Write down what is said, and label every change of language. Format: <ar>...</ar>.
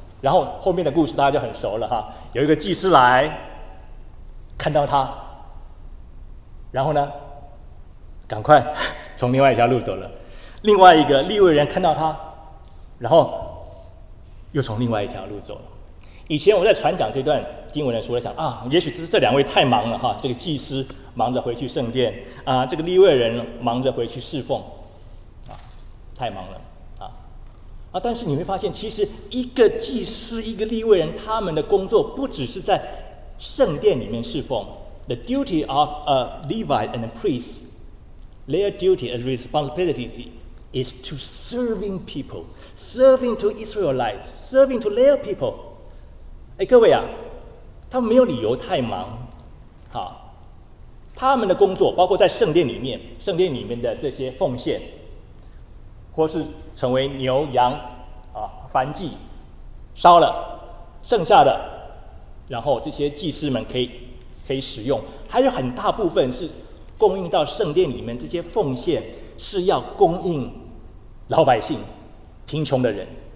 <zh>然后后面的故事大家就很熟了哈，有一个祭司来看到他，然后呢赶快从另外一条路走了，另外一个利未人看到他，然后又从另外一条路走了。以前我在传讲这段经文的时候，我想啊，也许这两位太忙了哈，这个祭司忙着回去圣殿啊，这个利未人忙着回去侍奉啊，太忙了啊。啊，但是你会发现，其实一个祭司、一个利未人，他们的工作不只是在圣殿里面侍奉。</zh> <en>The duty of a Levite and a priest, their duty and responsibility is to serving people, serving to Israelites, serving to their people.</en> <zh>哎，各位啊，他们没有理由太忙，啊。他们的工作包括在圣殿里面，圣殿里面的这些奉献，或是成为牛羊啊燔祭，烧了剩下的，然后这些祭司们可以使用，还有很大部分是供应到圣殿里面，这些奉献是要供应老百姓、贫穷的人。</zh>